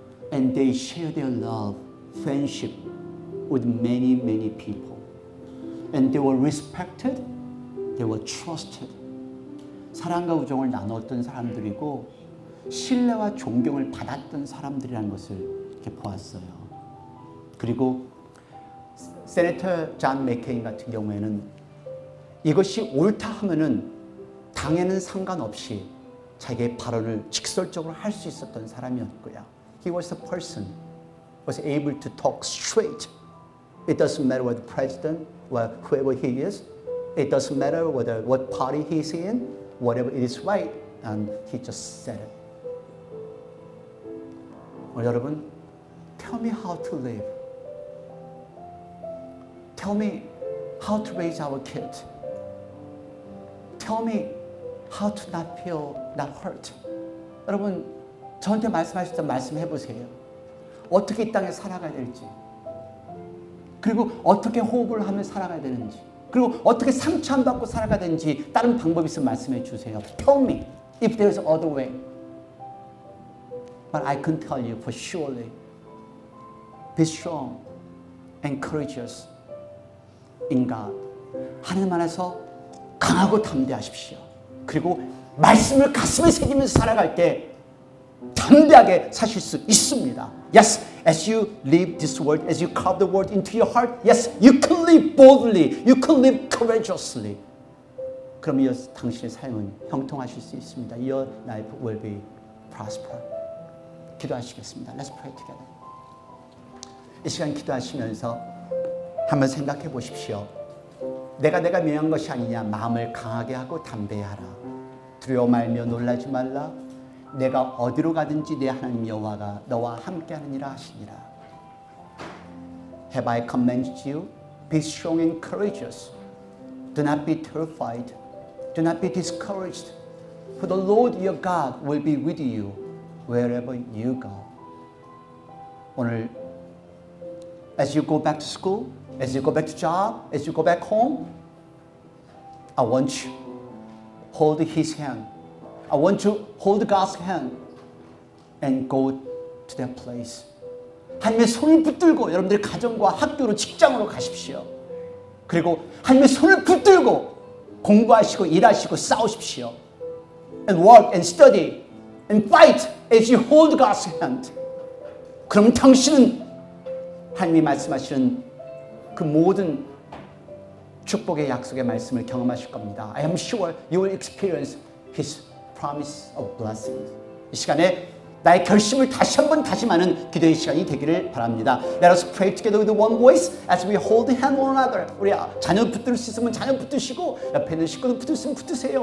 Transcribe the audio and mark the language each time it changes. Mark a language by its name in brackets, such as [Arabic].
[English] And they shared their love, friendship with many, many people. And they were respected. They were trusted. [Korean] 사랑과 우정을 나눴던 사람들이고 신뢰와 존경을 받았던 사람들이라는 것을 이렇게 보았어요. 그리고 세네터 존 맥케인 같은 경우에는 이것이 옳다 하면은 당에는 상관없이 자기의 발언을 직설적으로 할 수 있었던 사람이었고요. [English] He was a person who was able to talk straight. It doesn't matter what the president or whoever he is. It doesn't matter what party he's in. Whatever it is right. And he just said it. [Korean] 여러분, [English] tell me how to live. Tell me how to raise our kids. Tell me how to not feel not hurt. [Korean] 여러분, 저한테 말씀하셨던 말씀해 보세요. 어떻게 이 땅에 살아가야 될지. 그리고 어떻게 호흡을 하면 살아가야 되는지. 그리고 어떻게 상처 안 받고 살아가야 되는지 다른 방법이 있으면 말씀해 주세요. [English] Tell me if there is other way. But I can tell you for surely. Be strong and courageous in God. [Korean] 하나님 안에서 강하고 담대하십시오. 그리고 말씀을 가슴에 새기면서 살아갈 때 담대하게 사실 수 있습니다. [English] Yes, as you live this world, as you carve the world into your heart, yes, you can live boldly, you can live courageously. [Korean] 그럼 이어 당신의 삶은 형통하실 수 있습니다. [English] Your life will be prosper. [Korean] 기도하시겠습니다. [English] Let's pray together. [Korean] 이 시간 기도하시면서 한번 생각해 보십시오. 내가 미안한 것이 아니냐. 마음을 강하게 하고 담대하라. 두려워 말며 놀라지 말라. 내가 어디로 가든지 내 하나님 여호와가 너와 함께하느니라 하시니라. [English] Have I commanded you? Be strong and courageous. Do not be terrified. Do not be discouraged. For the Lord your God will be with you wherever you go. [Korean] 오늘 [English] as you go back to school, as you go back to job, as you go back home, I want you to hold his hand. I want you to hold God's hand and go to that place. [Korean] 하나님의 손을 붙들고 여러분들의 가정과 학교로 직장으로 가십시오. 그리고 하나님의 손을 붙들고 공부하시고 일하시고 싸우십시오. [English] And work and study and fight as you hold God's hand. [Korean] 그럼 당신은 하나님이 말씀하시는 그 모든 축복의 약속의 말씀을 경험하실 겁니다. [English] I am sure you will experience his promise of blessings. [Korean] 이 시간에 나의 결심을 다시 한번 다짐하는 기도의 시간이 되기를 바랍니다. [English] Let us pray together with one voice as we hold hand one another. [Korean] 우리 자녀 붙들 수 있으면 자녀 붙드시고 옆에 있는 식구도 붙들 수 있으면 붙드세요.